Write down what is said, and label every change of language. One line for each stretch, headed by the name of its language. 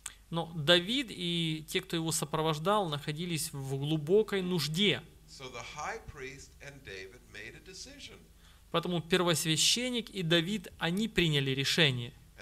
Russian: Но Давид и те, кто его сопровождал, находились в глубокой нужде.
English: So the high priest and David made a decision.
Russian: Поэтому первосвященник и Давид, они приняли решение.